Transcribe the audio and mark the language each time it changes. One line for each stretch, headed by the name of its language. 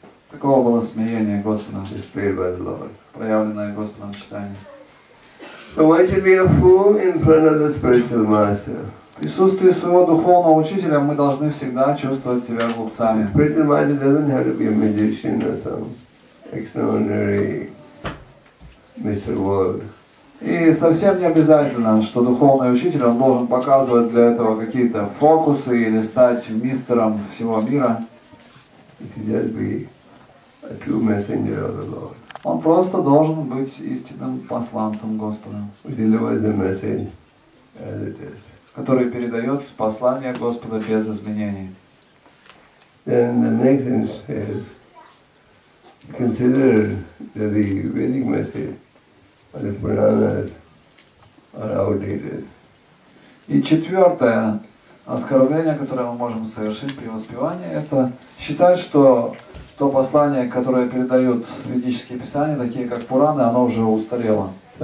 Russian: Такого было смирение Господа, проявленное Господом Чайтанья.
English: So why should be a fool in front of the spiritual master?
Russian: В присутствии своего духовного учителя мы должны всегда чувствовать себя глупцами.
English: The spiritual master doesn't have to be a magician or some extraordinary Mr. World.
Russian: И совсем не обязательно, что духовный учитель он должен показывать для этого какие-то фокусы или стать мистером всего мира.
English: He should just be a true messenger of the Lord.
Russian: Он просто должен быть истинным посланцем Господа, который передает послание Господа без изменений.
English: Then the next thing is, consider that the Vedic message or the Puranas are outdated.
Russian: И четвертое оскорбление, которое мы можем совершить при воспевании, это считать, что то послание, которое передают ведические писания, такие как Пураны, оно уже устарело.